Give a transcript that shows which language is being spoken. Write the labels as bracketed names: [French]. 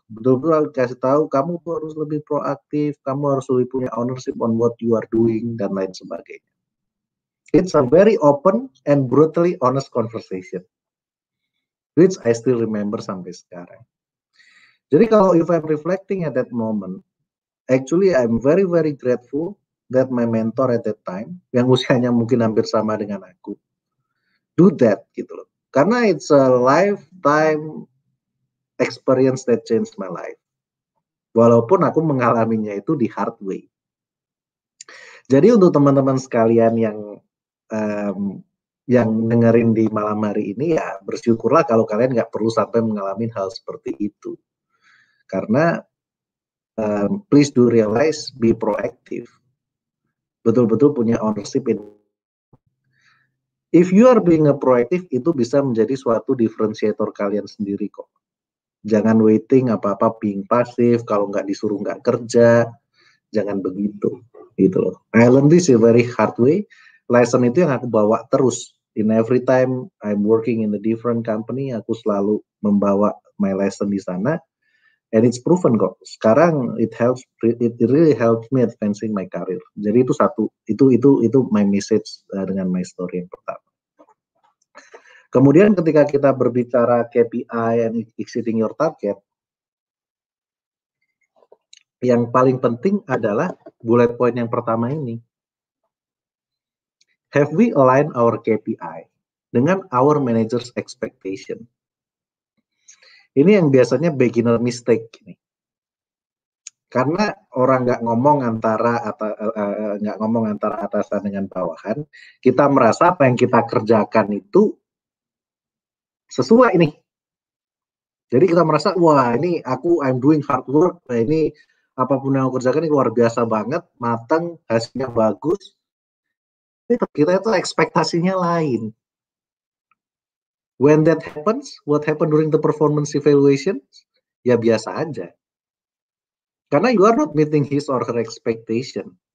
[Indonesian] Betul-betul kasih tahu kamu harus lebih proaktif, kamu harus lebih punya [English] ownership on what you are doing [Indonesian] dan lain sebagainya. [English] It's a very open and brutally honest conversation, which I still remember [Indonesian] sampai sekarang. Jadi kalau [English] if I'm reflecting at that moment, actually I'm very very grateful that my mentor at that time [Indonesian] yang usianya mungkin hampir sama dengan aku [English] do that [Indonesian] gitu loh. [English] Karena it's a lifetime experience that changed my life. [Indonesian] Walaupun aku mengalaminya itu di [English] hard way. [Indonesian] Jadi untuk teman-teman sekalian yang dengerin di malam hari ini, ya bersyukurlah kalau kalian nggak perlu sampai mengalami hal seperti itu. [English] Karena please do realize, be proactive. [Indonesian] Betul-betul punya ownership in. [English] If you are being a proactive, [Indonesian] itu bisa menjadi suatu differentiator kalian sendiri kok. Jangan waiting apa-apa [English] being passive, [Indonesian] kalau nggak disuruh nggak kerja. Jangan begitu. Gitu loh. [English] I learned this a very hard way. [Indonesian] Lesson itu yang aku bawa terus. [English] In every time I'm working in a different company, [Indonesian] aku selalu membawa [English] my lesson [Indonesian] di sana. [English] And it's proven kok. Sekarang it really helps me advancing my career. [Indonesian] Jadi itu satu, itu [English] my message [Indonesian] dengan [English] my story [Indonesian] yang pertama. Kemudian ketika kita berbicara KPI [English] and exceeding your target, [Indonesian] yang paling penting adalah bullet point yang pertama ini. [English] Have we aligned our KPI dengan our manager's expectation? [Indonesian] Ini yang biasanya beginner mistake nih. Karena orang nggak ngomong antara atasan dengan bawahan, kita merasa apa yang kita kerjakan itu sesuai nih. Jadi kita merasa, wah ini aku [English] I'm doing hard work, [Indonesian] nah ini apapun yang aku kerjakan ini luar biasa banget, matang, hasilnya bagus. Kita itu ekspektasinya lain. [English] When that happens, what happened during the performance evaluation? [Indonesian] Ya biasa aja. [English] Karena you are not meeting his or her expectation.